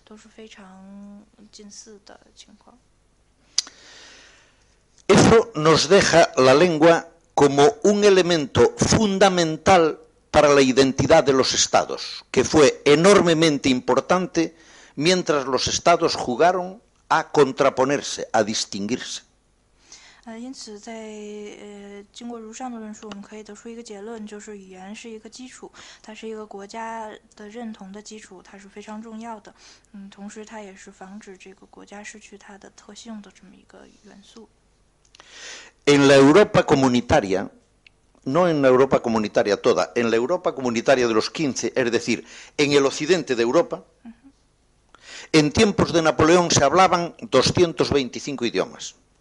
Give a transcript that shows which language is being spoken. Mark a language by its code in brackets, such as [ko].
[zh] 如果我们说，当时他们都失去了这种语言上的差异的话，那么它的这个在社会和它的地区性上面就会变得非常的弱，因为每一个地区它的这个差异性就会没那么明显。本来欧洲就是有一个统一化的这么一个进程，那么它曾经在历史上经历过的，比如说罗马人的统治，还有中世纪的黑暗的统治，都是非常近似的情况。 [es] Eso nos deja la lengua como un elemento fundamental para la identidad de los estados, que fue enormemente importante mientras los estados jugaron a contraponerse, a distinguirse. [zh] 因此在经过如上的论述，我们可以得出一个结论，就是语言是一个基础，它是一个国家的认同的基础，它是非常重要的。同时它也是防止这个国家失去它的特性的这么一个元素。 [es] En la Europa comunitaria, no en la Europa comunitaria toda, en la Europa comunitaria de los 15, es decir, en el occidente de Europa, en tiempos de Napoleón se hablaban 225 idiomas.